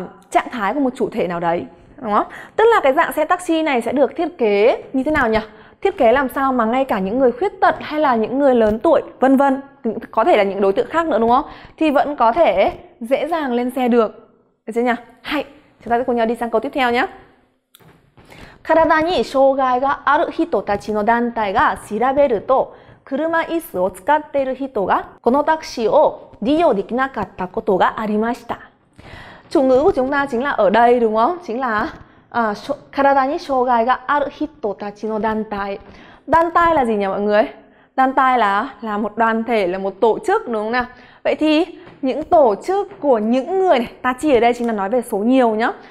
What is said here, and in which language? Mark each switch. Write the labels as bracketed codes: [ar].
[vi] Trạng thái của một chủ thể nào đấy, đúng không? Tức là cái dạng xe taxi này sẽ được thiết kế như thế nào nhỉ? Thiết kế làm sao mà ngay cả những người khuyết tật hay là những người lớn tuổi, vân vân, có thể là những đối tượng khác nữa đúng không? Thì vẫn có thể dễ dàng lên xe được. Được chưa nhỉ? Hay, chúng ta sẽ cùng nhau đi sang câu tiếp theo nhé. [ja] 体に障害がある人たちの団体が調べると 車椅子を使っている人がこのタクシーを利用できなかったことがありました。 [vi] Chủ ngữ của chúng ta chính là ở đây đúng không? Chính là [ja] karadani shogai ga aru hito tachi no dantai. [vi] Dantai là gì nhỉ mọi người? Đan-tai là một đoàn thể, là một tổ chức đúng không nào? Vậy thì những tổ chức của những người này, ta chỉ ở đây chính là nói về số nhiều nhá.